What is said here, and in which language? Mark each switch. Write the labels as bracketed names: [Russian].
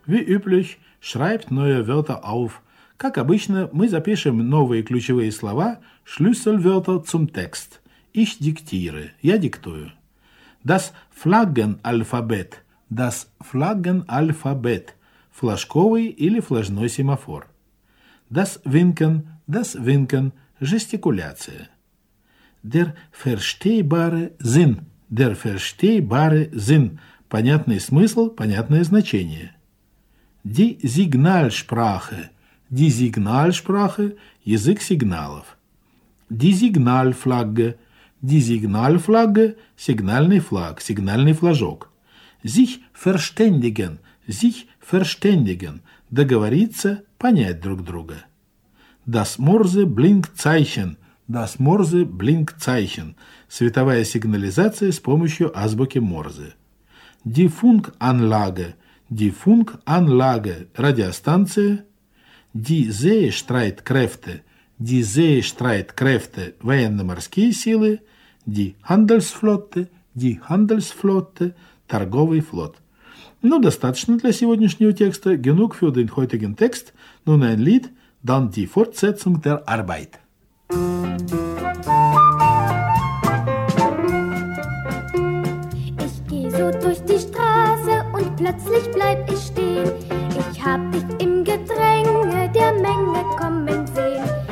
[German] Wie üblich, schreibt neue Wörter auf. [Russian] Как обычно, мы запишем новые ключевые слова, [German] Schlüsselwörter zum Text. Ich diktiere. [Russian] Я диктую. [German] Das Flaggenalphabet. Das Flaggenalphabet. [Russian] Флажковый или флажной семафор. [German] Das Winken. Das Winken. Жестикуляция. Der verstehbare Sinn. Der verstehbare Sinn. [Russian] Понятный смысл, понятное значение. [German] Die Signalsprache. Die Signalsprache. [Russian] Язык сигналов. Die Signalflagge. [German] Die Signalflagge. [Russian] Сигнальный флаг, сигнальный флажок. [German] Sich verständigen. Sich verständigen. [Russian] Договориться, понять друг друга. [German] Das Morse-Blink-Zeichen. Das Morse-Blink-Zeichen. [Russian] Световая сигнализация с помощью азбуки Морзе. [German] Die Funkanlage. Die Funkanlage. Радиостанция. Die Seestreitkräfte. Die Seestreitkräfte. [Russian] Военно-морские силы. [German] Die Handelsflotte. Die Handelsflotte. [Russian] Торговый флот. Ну, достаточно для сегодняшнего текста. [German] Genug für den heutigen Text. Nun ein Lied. Dann die Fortsetzung der Arbeit. Ich gehe so durch die Straße und plötzlich bleib ich stehen. Ich hab dich im Gedränge der Menge kommen sehen.